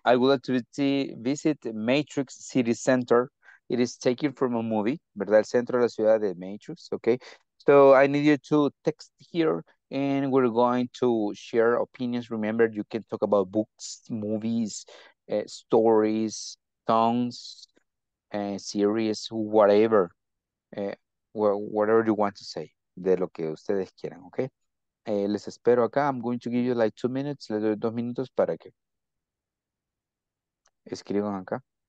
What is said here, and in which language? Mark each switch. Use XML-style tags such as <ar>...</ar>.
<en>I would like to visit Matrix City Center. It is taken from a movie,</en> <es>¿verdad? El centro de la ciudad de Matrix, okay?</es> <en>So I need you to text here. And we're going to share opinions. Remember, you can talk about books, movies, stories, songs, series, whatever. Whatever you want to say.</en> <es>De lo que ustedes quieran,</es> <en>okay?</en> <es>Les espero acá.</es> <en>I'm going to give you like 2 minutes.</en> <es>Les doy 2 minutos para que escriban acá.</es>